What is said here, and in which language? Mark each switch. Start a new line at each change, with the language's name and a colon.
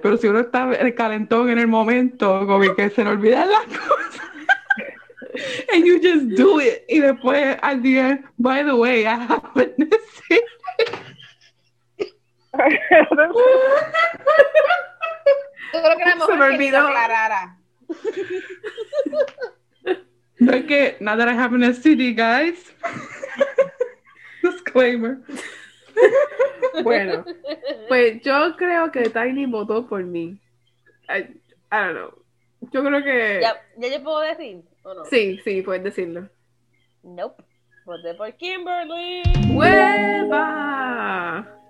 Spanish: Pero si uno está el calentón en el momento, como que se le olvidan las cosas.
English: And you just do it.
Spanish: Y después, al día,
English: by the way, I happened to see.
Spanish: Yo creo que la mujer se me olvidó. Que aclarara. No es que,
English: now that I have an STD, guys. Disclaimer.
Spanish: Bueno, pues yo creo que Tiny votó por mí.
English: I don't know.
Spanish: Yo creo que... ¿Ya yo puedo decir o no? Sí, sí, puedes decirlo. Nope. Voté por Kimberly. ¡Hueva!